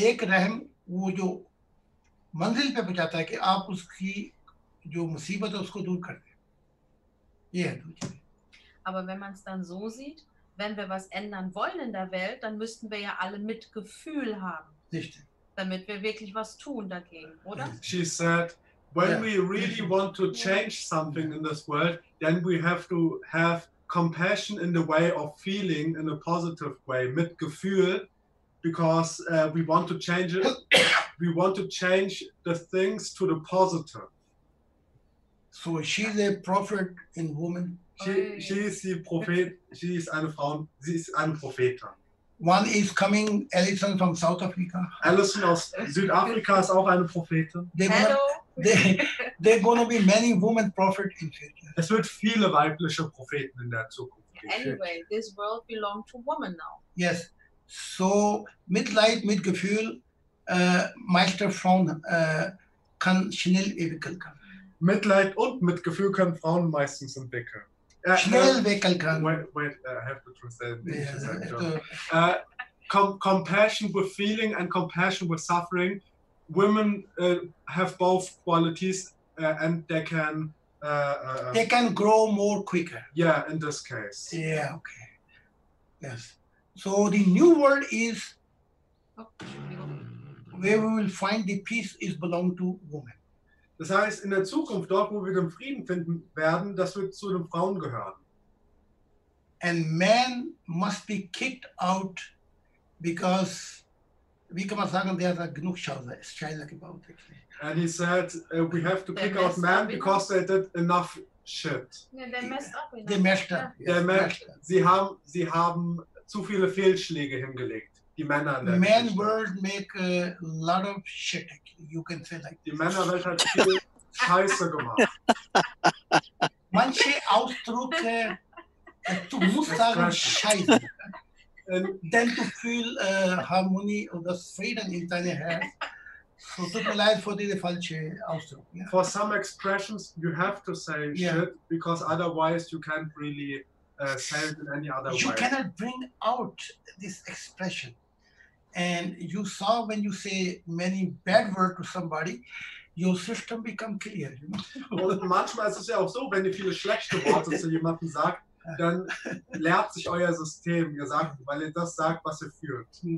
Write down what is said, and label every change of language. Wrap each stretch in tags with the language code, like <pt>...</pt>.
<hi>Ek Rehm वो जो मंजिल पे पहुंचाता है कि आप उसकी जो मुसीबत है उसको दूर कर दें ये है दूसरी</hi> <de>aber wenn man es dann so sieht, wenn wir was ändern wollen in der Welt, dann müssten wir ja alle Mitgefühl haben. Richtig. Damit wir wirklich was tun dagegen, oder?</de> <en>She said, when yeah. we really want to change something in this world, then we have to have compassion in the way of feeling in a positive way, Mitgefühl. Because we want to change it. We want to change the things to the positive. So she's a prophet in woman. She is the prophet. She is</en> <de>eine Frau. Sie ist eine Prophetin.</de> <en>One is coming, Alison from South Africa.</en> <de>Alison aus Südafrika ist auch eine Prophetin.</de> <en>There gonna be many women prophet in future.</en> <de>Es wird viele weibliche Propheten in der Zukunft.</de> <en>Anyway, this world belongs to women now. Yes.</en> <de>So, mit Leid, mit Gefühl, Meister Frauen kann schnell entwickeln kann. Mit Leid und mit Gefühl können Frauen meistens entwickeln. Schnell entwickeln kann.</de> <en>Wait, I have to translate. Compassion with feeling and compassion with suffering. Women have both qualities and they can... They can grow more quicker. Yeah, in this case. Yeah, okay. Yes. So the new world is where we will find the peace is belong to women.</en> <de>Das heißt, in der Zukunft, dort wo wir den Frieden finden werden, das wird zu den Frauen gehören.</de> <en>And men must be kicked out because,</en> <de>wie kann man sagen,</de> <en>there are</en> <de>genug Scheißer gebaut.</de> <en>And he said, we have to kick out men because they did enough shit. Yeah, they messed up. They messed up.</en> <de>Sie haben zu viele Fehlschläge hingelegt, die Männer.</de> <en>The man world make a lot of shit. You can say like.</en> <de>Die Männerwelt hat viel Scheiße gemacht. Manche Ausdrücke, du musst sagen Scheiße, denn du fühlst Harmonie oder Frieden in deinem Herz. So tut mir leid für diese falsche Ausdruck.</de> <en>Yeah. For some expressions, you have to say shit, yeah. Because otherwise you can't really. You cannot bring out this expression, and you saw when you say many bad words to somebody, your system become clear. You know?</en> <de>Und manchmal ist es ja auch so, wenn ihr viele schlechte Worte zu jemandem sagt, dann leert sich euer System, ihr sagt, weil ihr das sagt, was ihr fühlt.</de>